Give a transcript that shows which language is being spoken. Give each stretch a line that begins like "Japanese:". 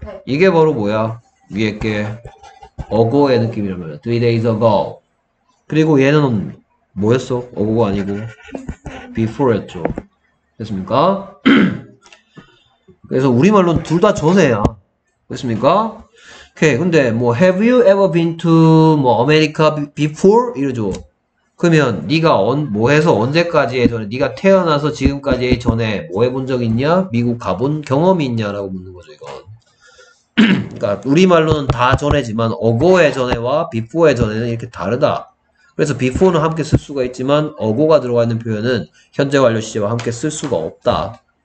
Korean: 이게 바로 뭐야 위에 게 어고의 느낌이란 말이야.
English: Three days ago.
Korean: 그리고 얘는 뭐였어? 어고가 아니고 before였죠. 됐습니까? 그래서 우리말로는 둘 다 전에야. 됐습니까? 오케이. 근데 뭐
English: have you ever been to
Korean: 뭐
English: America before
Korean: 이러죠. 그러면 네가 뭐 해서 언제까지의 전에 네가 태어나서 지금까지의 전에 뭐 해본 적 있냐? 미국 가본 경험이 있냐라고 묻는 거죠 이건. 그러니까 우리말로는 다 전에지만 어고의 전에와 비포의 전에는 이렇게 다르다. 그래서 before는 함께 쓸 수가 있지만 어고가 들어가 있는 표현은 현재 완료 시제와 함께 쓸 수가 없다.